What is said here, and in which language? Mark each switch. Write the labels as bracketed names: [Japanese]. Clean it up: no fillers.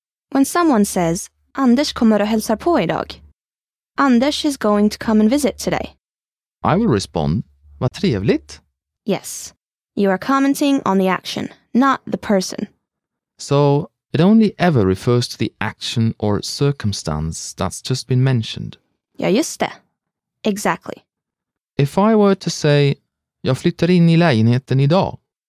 [English] When someone says [Swedish] Anders kommer och hälsar på idag. [English] Anders is going to come and visit today. I will respond [Swedish] Vad trevligt. [English] Yes, you are commenting on the action, not the person. So, it only ever refers to the action or circumstance that's just been mentioned. [Swedish] Ja, just det. [English] Exactly. If I were to say, [Swedish] Jag flyttar in I lägenheten idag.